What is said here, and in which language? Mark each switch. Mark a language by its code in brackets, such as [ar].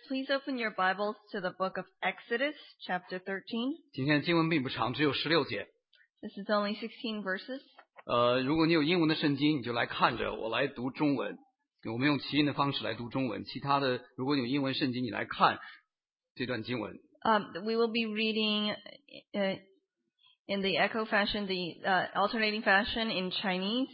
[en] Please open your Bibles to the book of Exodus, chapter 13. [zh] 今天经文并不长，只有十六节。 [en] This is only 16 verses. [zh] 如果你有英文的圣经，你就来看着，我来读中文。我们用起音的方式来读中文。其他的，如果你有英文圣经，你来看这段经文。 [en] We will be reading in the echo fashion, the alternating fashion in Chinese.